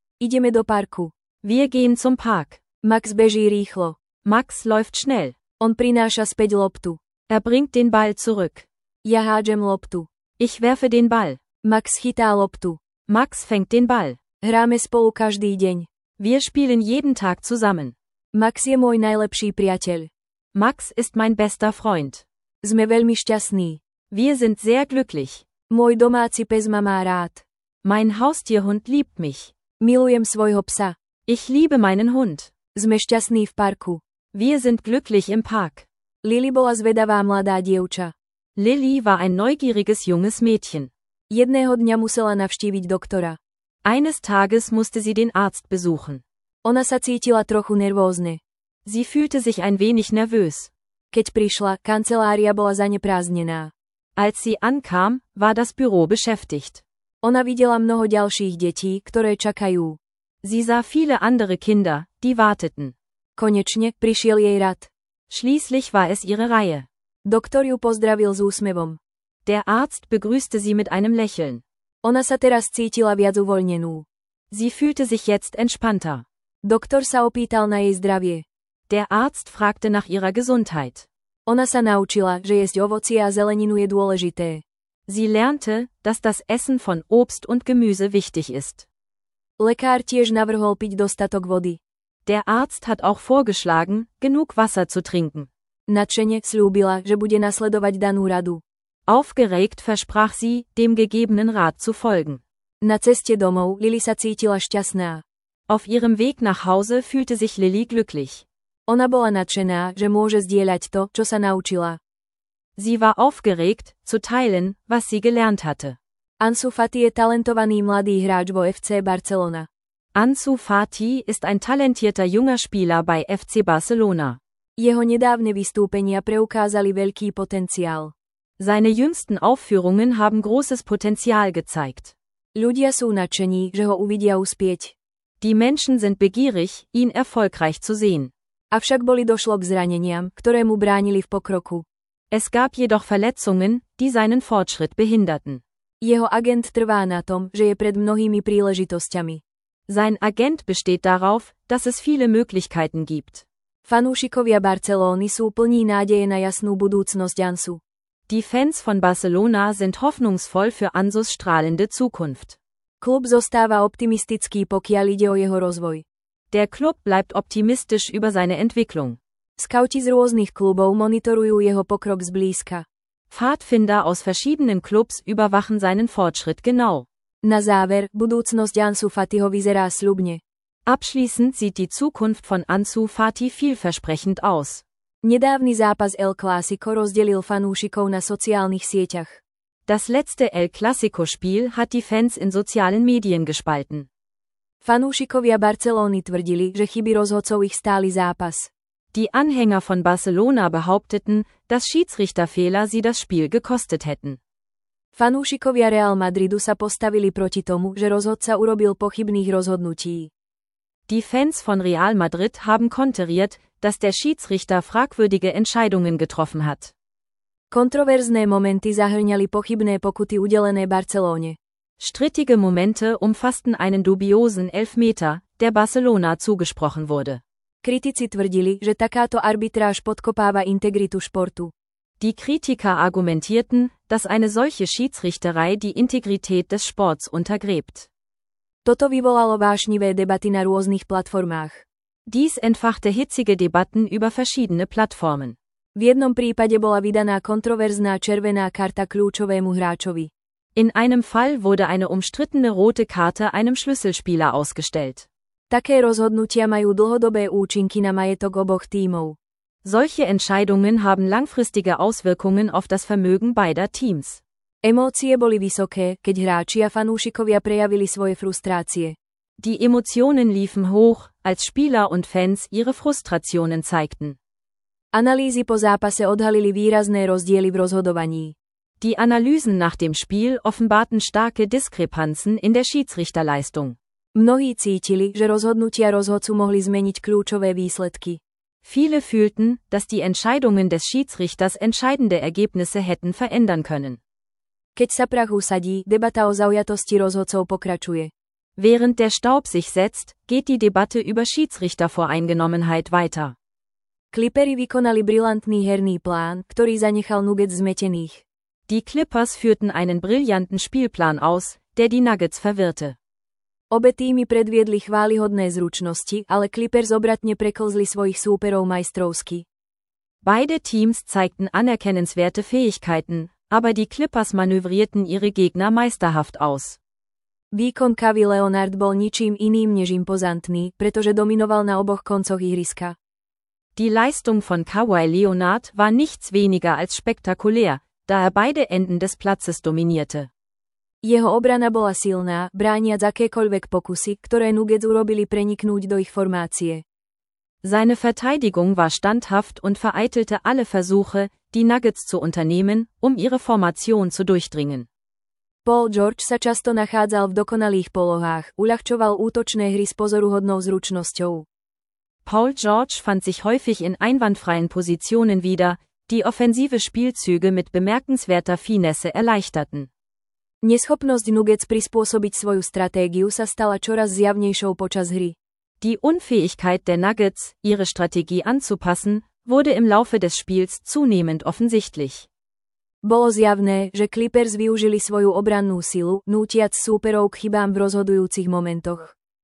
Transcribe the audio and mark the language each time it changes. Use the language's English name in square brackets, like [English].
[Slovak] Ideme do parku. [German] Wir gehen zum Park. [Slovak] Max beží rýchlo. [German] Max läuft schnell. [Slovak] On prináša späť loptu. [German] Er bringt den Ball zurück. [Slovak] Ja hádžem loptu. [German] Ich werfe den Ball. [Slovak] Max chytá loptu. [German] Max fängt den Ball. [Slovak] Hráme spolu každý deň. [German] Wir spielen jeden Tag zusammen. [Slovak] Max je môj najlepší priateľ. [German] Max ist mein bester Freund. [Slovak] Sme veľmi šťastní. [German] Wir sind sehr glücklich. [Slovak] Môj domáci pes ma má rád. [German] Mein Haustierhund liebt mich. [Slovak] Milujem svojho psa. [German] Ich liebe meinen Hund. [Slovak] Sme šťastní v parku. [German] Wir sind glücklich im Park. [Slovak] Lily bola zvedavá mladá dievča. [German] Lily war ein neugieriges junges Mädchen. [Slovak] Jedného dňa musela navštíviť doktora. [German] Eines Tages musste sie den Arzt besuchen. [Slovak] Ona sa cítila trochu nervózne. [German] Sie fühlte sich ein wenig nervös. [Slovak] Keď prišla, kancelária bola zaneprázdnená. [German] Als sie ankam, war das Büro beschäftigt. [Slovak] Ona videla mnoho ďalších detí, ktoré čakajú. [German] Sie sah viele andere Kinder, die warteten. [Slovak] Konečne, prišiel jej rad. [German] Schließlich war es ihre Reihe. [Slovak] Doktor ju pozdravil s úsmevom. [German] Der Arzt begrüßte sie mit einem Lächeln. [Slovak] Ona sa teraz cítila viac uvoľnenú. [German] Sie fühlte sich jetzt entspannter. [Slovak] Doktor sa opýtal na jej zdravie. [German] Der Arzt fragte nach ihrer Gesundheit. [Slovak] Ona sa naučila, že jesť ovocie a zeleninu je dôležité. [German] Sie lernte, dass das Essen von Obst und Gemüse wichtig ist. [Slovak] Lekár tiež navrhol piť dostatok vody. [German] Der Arzt hat auch vorgeschlagen, genug Wasser zu trinken. [Slovak] Nadšene sľúbila, že bude nasledovať danú radu. [German] Aufgeregt versprach sie, dem gegebenen Rat zu folgen. [Slovak] Na ceste domov Lily sa cítila šťastná. [German] Auf ihrem Weg nach Hause fühlte sich Lily glücklich. [Slovak] Ona bola nadšená, že môže zdieľať to, čo sa naučila. [German] Sie war aufgeregt, zu teilen, was sie gelernt hatte. [Slovak] Ansu Fati je talentovaný mladý hráč vo FC Barcelona. [German] Ansu Fati ist ein talentierter junger Spieler bei FC Barcelona. [Slovak] Jeho nedávne vystúpenia preukázali veľký potenciál. [German] Seine jüngsten Aufführungen haben großes Potenzial gezeigt. [Slovak] Ľudia sú nadšení, že ho uvidia uspieť. [German] Die Menschen sind begierig, ihn erfolgreich zu sehen. [Slovak] Avšak boli došlo k zraneniam, ktoré mu bránili v pokroku. [German] Es gab jedoch Verletzungen, die seinen Fortschritt behinderten. [Slovak] Jeho agent trvá na tom, že je pred mnohými príležitosťami. [German] Sein Agent besteht darauf, dass es viele Möglichkeiten gibt. [Slovak] Fanúšikovia Barcelóny sú plní nádeje na jasnú budúcnosť Ansu. [German] Die Fans von Barcelona sind hoffnungsvoll für Ansus strahlende Zukunft. [Slovak] Klub zostáva optimistický, pokiaľ ide o jeho rozvoj. [German] Der Club bleibt optimistisch über seine Entwicklung. [Slovak] Scouti z rôznych klubov monitorujú jeho pokrok zblízka. [German] Pfadfinder aus verschiedenen Clubs überwachen seinen Fortschritt genau. [Slovak] Na záver, budúcnosť Ansu Fatiho vyzerá sľubne. [German] Abschließend sieht die Zukunft von Ansu Fati vielversprechend aus. [Slovak] Nedávny zápas El Clásico rozdelil fanúšikov na sociálnych sieťach. [German] Das letzte El Clásico-Spiel hat die Fans in sozialen Medien gespalten. [Slovak] Fanúšikovia Barcelóny tvrdili, že chyby rozhodcov ich stáli zápas. [German] Die Anhänger von Barcelona behaupteten, dass Schiedsrichterfehler sie das Spiel gekostet hätten. [Slovak] Fanúšikovia Real Madridu sa postavili proti tomu, že rozhodca urobil pochybných rozhodnutí. [German] Die Fans von Real Madrid haben konteriert, dass der Schiedsrichter fragwürdige Entscheidungen getroffen hat. [Slovak] Kontroverzné momenty zahrňali pochybné pokuty udelené Barcelóne. [German] Strittige Momente umfassten einen dubiosen Elfmeter, der Barcelona zugesprochen wurde. [Slovak] Kritici tvrdili, že takáto arbitráž podkopáva integritu športu. [German] Die Kritiker argumentierten, dass eine solche Schiedsrichterei die Integrität des Sports untergräbt. [Slovak] Toto vyvolalo vášnivé debaty na rôznych platformách. [German] Dies entfachte hitzige Debatten über verschiedene Plattformen. [Slovak] V jednom prípade bola vydaná kontroverzná červená karta kľúčovému hráčovi. [German] In einem Fall wurde eine umstrittene rote Karte einem Schlüsselspieler ausgestellt. [Slovak] Také rozhodnutia majú dlhodobé účinky na majetok oboch tímov. [German] Solche Entscheidungen haben langfristige Auswirkungen auf das Vermögen beider Teams. [Slovak] Emócie boli vysoké, keď hráči a fanúšikovia prejavili svoje frustrácie. [German] Die Emotionen liefen hoch, als Spieler und Fans ihre Frustrationen zeigten. [Slovak] Analýzy po zápase odhalili výrazné rozdiely v rozhodovaní. [German] Die Analysen nach dem Spiel offenbarten starke Diskrepanzen in der Schiedsrichterleistung. [Slovak] Mnohí cítili, že rozhodnutia rozhodcu mohli zmeniť kľúčové výsledky. [German] Viele fühlten, dass die Entscheidungen des Schiedsrichters entscheidende Ergebnisse hätten verändern können. [Slovak] Keď sa prach usadí, debata o zaujatosti rozhodcov pokračuje. [German] Während der Staub sich setzt, geht die Debatte über Schiedsrichtervoreingenommenheit weiter. [Slovak] Clippers vykonali brilantný herný plán, ktorý zanechal Nuggets zmetených. [German] Die Clippers führten einen brillanten Spielplan aus, der die Nuggets verwirrte. [Slovak] Obe týmy predviedli chválihodné zručnosti, ale Clippers obratne preklzli svojich súperov majstrovsky. [German] Beide Teams zeigten anerkennenswerte Fähigkeiten, aber die Clippers manövrierten ihre Gegner meisterhaft aus. [Slovak] Výkon Kawhi Leonard bol ničím iným než impozantný, pretože dominoval na oboch koncoch ihriska. [German] Die Leistung von Kawhi Leonard war nichts weniger als spektakulär, da er beide Enden des Platzes dominierte. [Slovak] Jeho obrana bola silná, brániac akékoľvek pokusy, ktoré Nuggets urobili preniknúť do ich formácie. [German] Seine Verteidigung war standhaft und vereitelte alle Versuche, die Nuggets zu unternehmen, um ihre Formation zu durchdringen. [Slovak] Paul George sa často nachádzal v dokonalých polohách, uľahčoval útočné hry s pozoruhodnou zručnosťou. [German] Paul George fand sich häufig in einwandfreien Positionen wieder, die offensive Spielzüge mit bemerkenswerter Finesse erleichterten. [Slovak] Neschopnosť Nuggets prispôsobiť svoju stratégiu sa stala čoraz zjavnejšou počas hry. [German] Die Unfähigkeit der Nuggets, ihre Strategie anzupassen, wurde im Laufe des Spiels zunehmend offensichtlich. [Slovak] Bolo zjavné, že Clippers využili svoju obrannú silu, nútiac súperov k chybám v rozhodujúcich momentoch.